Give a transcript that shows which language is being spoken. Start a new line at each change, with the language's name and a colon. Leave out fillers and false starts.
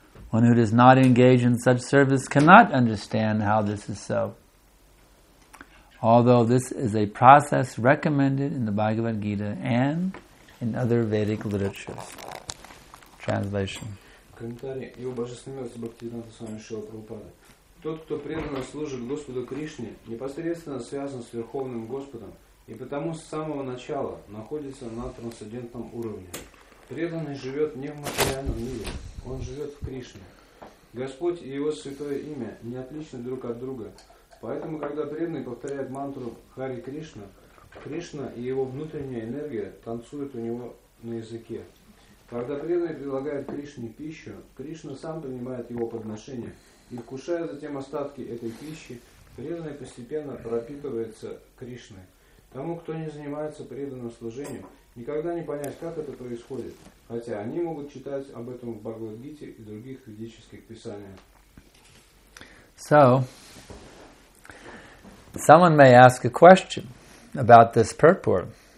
English: One who does not engage in such service cannot understand how this is so. Although this is a process recommended in the Bhagavad Gita and in other Vedic literatures. Translation.
Russian: Комментарий. Его божественность Бхактивинода с вами Шрила Прабхупада. Тот, кто преданно служит Господу Кришне, непосредственно связан с Верховным Господом и потому с самого начала находится на трансцендентном уровне. Преданный живет не в материальном мире, он живет в Кришне. Господь и его святое имя не отличны друг от друга. Поэтому, когда преданный повторяет мантру Хари Кришна, Кришна и его внутренняя энергия танцуют у него на языке. Когда преданный предлагает Кришне пищу, Кришна сам принимает его подношение. И вкушая затем остатки этой пищи, преданный постепенно пропитывается Кришной. Тому, кто не занимается преданным служением, никогда не понять, как это происходит. Хотя они могут читать об этом в Бхагавад-гите и других ведических писаниях.
English: So, someone may ask a question about this purport.